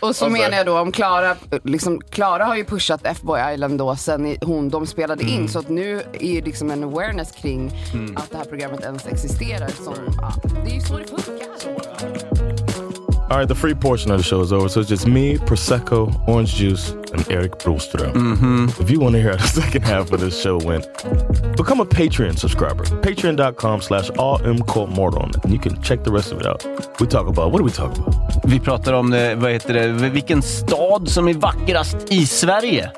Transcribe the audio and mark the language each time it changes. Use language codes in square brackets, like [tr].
[sv] Menar jag då om Klara, liksom, Klara har ju pushat F-Boy Island då sen de spelade in. Så att nu är ju liksom en awareness kring att det här programmet ens existerar. Som, det är ju så det funkar. [en] All right, the free portion of the show is over. So it's just me, Prosecco, Orange Juice, and Erik Brostrom. Mm-hmm. If you want to hear how the second half of this show went, become a Patreon subscriber. Patreon.com/allmcomoron. And you can check the rest of it out. We talk about, what do we talk about? [sv] Vi pratar om, vad heter det, vilken stad som är vackrast i Sverige.